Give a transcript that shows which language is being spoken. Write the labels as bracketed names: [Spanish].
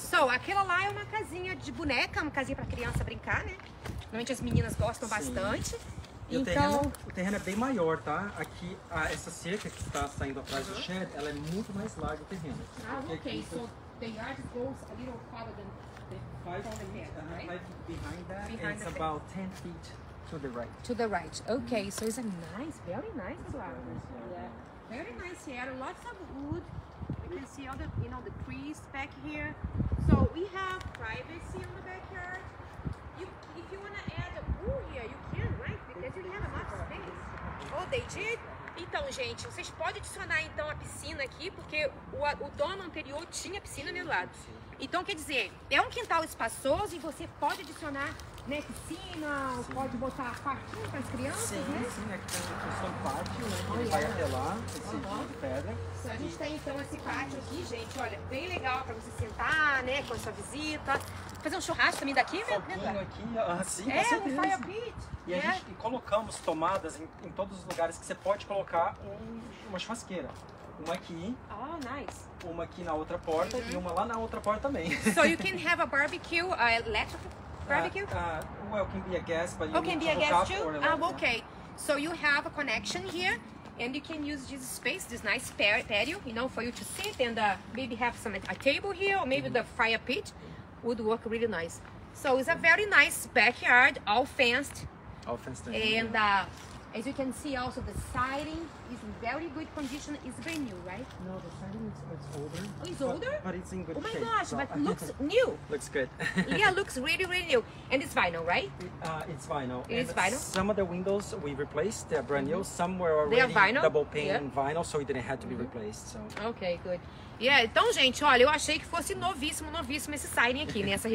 [Portuguese] So, aquela lá é uma casinha de boneca, uma casinha para criança brincar, né? Normalmente as meninas gostam bastante. E então... o terreno é bem maior, tá? Aqui, essa cerca que está saindo atrás do shed, ela é muito mais larga o terreno. [English] Ah, okay. So, the yard goes a little farther than the five feet behind that, it's about 10 feet. To the right. Okay, so it's a nice, very nice flower. yeah. Very nice here. Lots of wood. You can see all the, you know, the trees back here. So we have privacy on the backyard. You, if you want to add a pool here, you can, right? Because you have a lot of space. Oh, they did? [Portuguese] Então, gente, vocês podem adicionar então a piscina aqui, porque o dono anterior tinha piscina ali do lado. Então, quer dizer, é um quintal espaçoso e você pode adicionar, né, piscina, pode botar parquinho para as crianças, sim, né? Sim, aqui tem o seu pátio, né, que vai até lá, esse de pedra. A gente tem então esse pátio aqui, gente, olha, bem legal para você sentar, né, com a sua visita. Fazer um churrasco também daqui, né? Aqui, assim, com certeza. É, um fire pit. E a gente colocamos tomadas em todos os lugares que você pode colocar uma churrasqueira. Uma aqui. [English] Oh, nice. [Portuguese] Uma aqui na outra porta e uma lá na outra porta também. [English] So you can have a barbecue, a electric barbecue? Well, it can be a gas, but you can be a gas too. Okay. So you have a connection here and you can use this space, this nice patio, you know, for you to sit and maybe have some a table here or maybe the fire pit would work really nice. So it's a very nice backyard, all fenced. All fenced in. And As you can see also, the siding is in very good condition. It's brand new, right? No, the siding is older. Oh, it's older? But it's in good shape. Oh my gosh, but looks new. Looks good. Yeah, looks really, really new. And it's vinyl, right? It's vinyl. It is vinyl? Some of the windows we replaced, they're brand new. Some were already double pane vinyl, so it didn't have to be replaced. So. Okay, good. [Portuguese] Yeah, então, gente, olha, eu achei que fosse novíssimo, novíssimo esse siding aqui, né?